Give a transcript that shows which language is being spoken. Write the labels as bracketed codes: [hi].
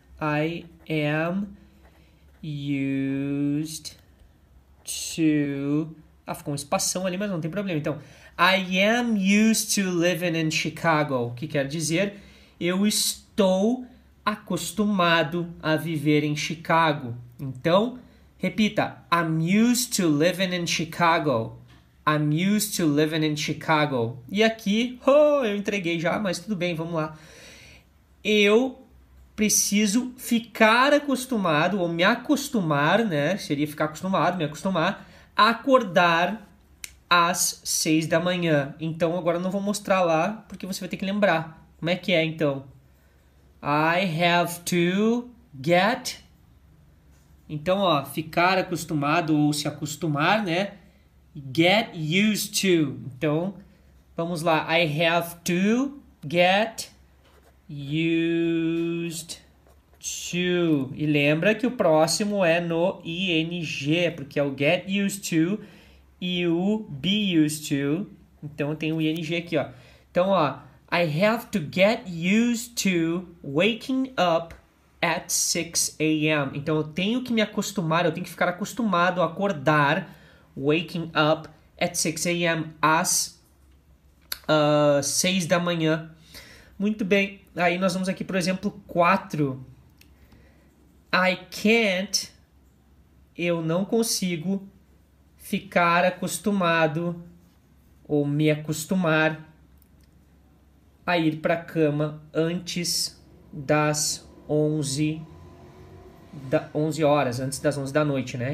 [en] I am used to. [pt] Ah, ficou um espação ali, mas não tem problema. Então, [en] I am used to living in Chicago. [pt] O que quer dizer? Eu estou acostumado a viver em Chicago. Então, repita. [en] I'm used to living in Chicago. I'm used to living in Chicago. [pt] E aqui, eu entreguei já, mas tudo bem, vamos lá. Eu preciso ficar acostumado, ou me acostumar, né? Seria ficar acostumado, me acostumar, a acordar às 6 da manhã. Então, agora eu não vou mostrar lá, porque você vai ter que lembrar. Como é que é, então? [en] I have to get. [pt] Então, ó, ficar acostumado ou se acostumar, né? [en] Get used to. [pt] Então, vamos lá. [en] I have to get used to. [pt] E lembra que o próximo é no ing, porque é o [en] get used to [pt] e o [en] be used to. [pt] Então, tem o ing aqui, ó. Então, ó. [en] I have to get used to waking up at 6 a.m. [pt] Então, eu tenho que me acostumar, eu tenho que ficar acostumado a acordar [en] waking up at 6 a.m. [pt] às 6 da manhã. Muito bem. Aí nós vamos aqui para o exemplo 4. [en] I can't, [pt] eu não consigo ficar acostumado ou me acostumar a ir para a cama antes das 11, da 11 horas, antes das 11 da noite, né?